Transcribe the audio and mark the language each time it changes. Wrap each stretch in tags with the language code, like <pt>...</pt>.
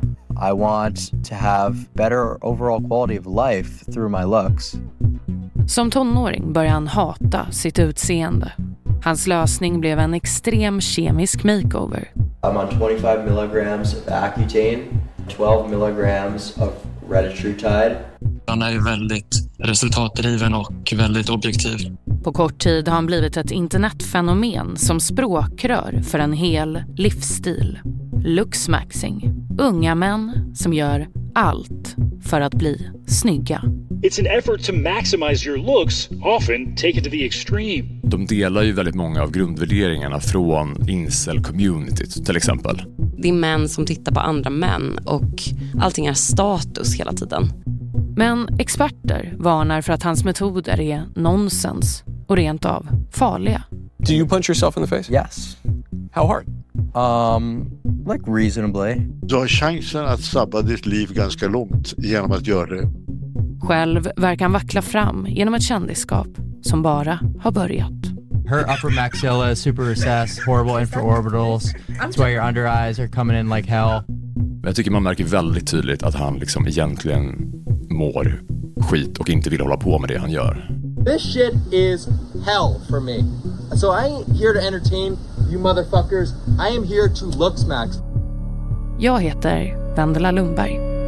<en>I want to have better overall quality of life through my looks.</en> <sv>Som tonåring började han hata sitt utseende. Hans lösning blev en extrem kemisk makeover.</sv> <en>I'm on 25 milligrams of Accutane, 12 milligrams of Retatrutide.</en> <sv>Han är väldigt resultatdriven och väldigt objektiv. På kort tid har han blivit ett internetfenomen som språkrör för en hel livsstil. Looksmaxing. Unga män som gör allt för att bli snygga.</sv> <en>It's an effort to maximize your looks, often taken to the extreme.</en> <sv>De delar ju väldigt många av grundvärderingarna från incel-communityt till exempel. Det är män som tittar på andra män och allting är status hela tiden. Men experter varnar för att hans metoder är nonsens och rent av farliga.</sv> <en>Do you punch yourself in the face? Yes. How hard? Like reasonably.</en> <sv>Du har chansen att sabba ditt liv ganska långt genom att göra det. Själv verkar han vackla fram genom ett kändisskap som bara har börjat.</sv> <en>Her upper maxilla is super recessed, horrible infraorbitals. That's why your under eyes are coming in like hell.</en> <sv>Jag tycker man märker väldigt tydligt att han liksom egentligen mår skit och inte vill hålla på med det han gör.</sv> <en>This shit is hell for me. So I ain't here to entertain you motherfuckers. I am here to looksmax.</en> <sv>Jag heter Vendela Lundberg.</sv>